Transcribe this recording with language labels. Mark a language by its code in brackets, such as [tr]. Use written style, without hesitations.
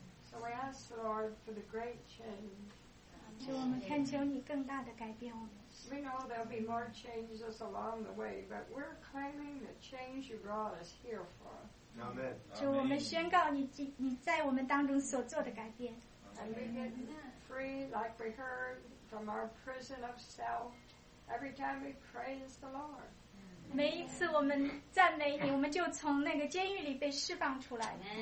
[en] so we ask the Lord for the great change. [zh] 就我们恳求你更大的改变我们 [en] We know there'll be more changes along the way, but we're claiming the change you brought us here for. Amen. [zh] 主，我们宣告你在我们当中所做的改变。 [en] And we get free, like we heard, from our prison of self every time we praise the Lord. [zh] 每一次我们赞美你，我们就从那个监狱里被释放出来。